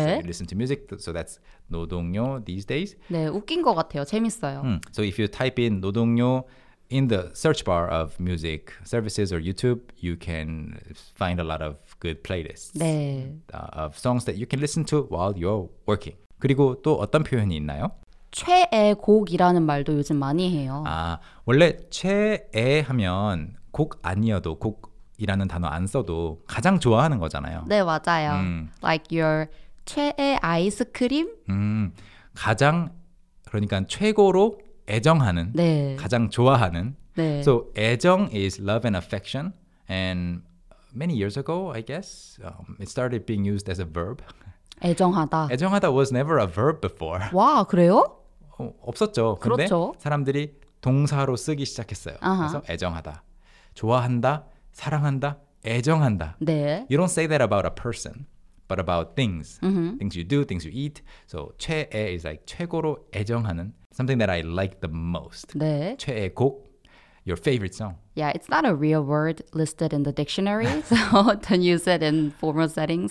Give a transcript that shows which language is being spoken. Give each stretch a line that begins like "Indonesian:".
English: So you listen to music. So that's 노동요 these days.
Korean: 네, 웃긴 것 같아요. 재밌어요.
English: So if you type in 노동요 in the search bar of music services or YouTube, you can find a lot of good playlists
Korean: 네.
English: Of songs that you can listen to while you're working.
Korean: 그리고 또 어떤 표현이 있나요? 최애 곡이라는 말도 요즘 많이 해요. 아, 원래 최애 하면 곡 아니어도 곡이라는 단어 안 써도 가장 좋아하는 거잖아요. 네, 맞아요.
English: Like your
Korean: 최애 아이스크림? 가장, 그러니까 최고로 애정하는, 네. 가장 좋아하는. 네.
English: So 애정 is love and affection. And many years ago, I guess, it started being used as a verb.
Korean: 애정하다.
English: 애정하다 was never a verb before.
Korean: 와, 그래요? 없었죠. 그런데 그렇죠. 사람들이 동사로 쓰기 시작했어요.
English: Uh-huh.
Korean: 그래서 애정하다, 좋아한다, 사랑한다, 애정한다. 네.
English: You don't say that about a person, but about things. Uh-huh. Things you do, things you eat. So 최애 is like
Korean: 최고로 애정하는,
English: something that I like the most.
Korean: 네.
English: 최애 곡. Your favorite song. Yeah, it's not a real word listed in the dictionary, so don't use it in formal settings.